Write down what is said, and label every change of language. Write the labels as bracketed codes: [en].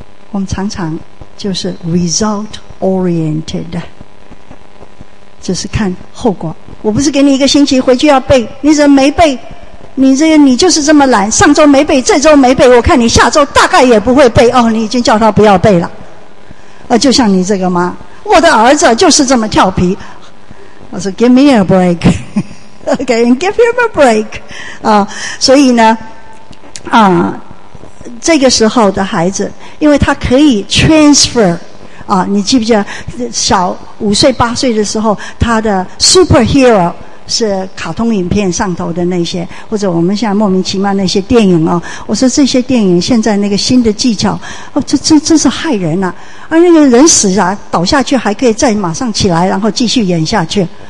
[zh] 我们常常就是 result oriented， 就是看后果。我不是给你一个星期回去要背，你怎么没背？你就是这么懒，上周没背，这周没背，我看你下周大概也不会背哦。你已经叫他不要背了，就像你这个吗？我的儿子就是这么调皮。我说 [en] Give me a break， [zh] okay， give him a break， 所以呢，这个时候的孩子，因为他可以 transfer。你记不记得小五岁八岁的时候，他的 superhero 是卡通影片上头的那些，或者我们现在莫名其妙那些电影哦。我说这些电影现在那个新的技巧哦，这真是害人呐！那个人死啊，倒下去还可以再马上起来，然后继续演下去。